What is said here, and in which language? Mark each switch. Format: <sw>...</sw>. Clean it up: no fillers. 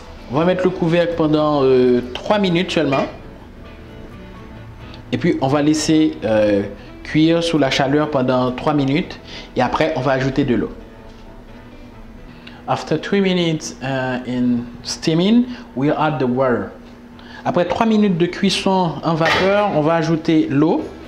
<fr>On va mettre le couvercle pendant 3 minutes seulement. Et puis on va laisser cuire sous la chaleur pendant 3 minutes. Et après on va ajouter de l'eau.</fr> <en>After 3 minutes in steaming, we add the water.</en> <fr>Après 3 minutes de cuisson en vapeur, on va ajouter l'eau.</fr>